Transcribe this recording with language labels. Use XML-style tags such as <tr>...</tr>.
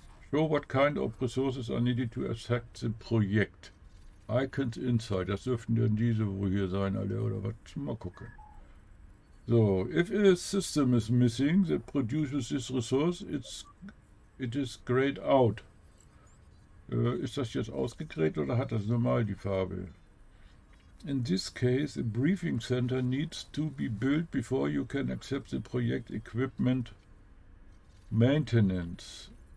<en>Show what kind of resources are needed to access the project. Icons inside.</en> <de>Das dürften denn diese wohl hier sein, alle, oder was? Mal gucken.</de> <en>So, if a system is missing that produces this resource, it is grayed out.</en> <de>Ist das jetzt ausgegrillt oder hat das normal die Farbe?</de> <en>In this case, a briefing center needs to be built before you can accept the project equipment maintenance.</en>